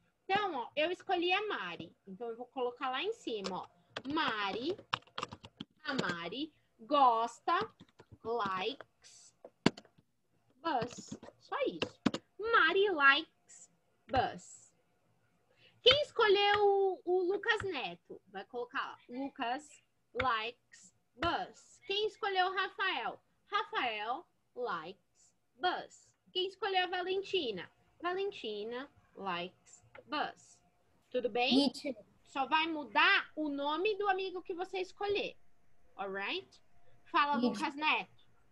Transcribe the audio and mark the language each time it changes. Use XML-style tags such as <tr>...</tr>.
<pt>Então, ó, eu escolhi a Mari. Então, eu vou colocar lá em cima, ó. Mari, a Mari, gosta, likes, bus. Só isso.</pt> <en>Mari likes bus.</en> <pt>Quem escolheu o Lucas Neto? Vai colocar, ó,</pt> <en>Lucas likes bus.</en> <pt>Quem escolheu o Rafael?</pt> <en>Rafael likes bus.</en> <pt>Quem escolheu a Valentina?</pt> <en>Valentina likes bus.</en> <pt>Tudo bem? Só vai mudar o nome do amigo que você escolher. Alright? Fala, Lucas Neto.</pt>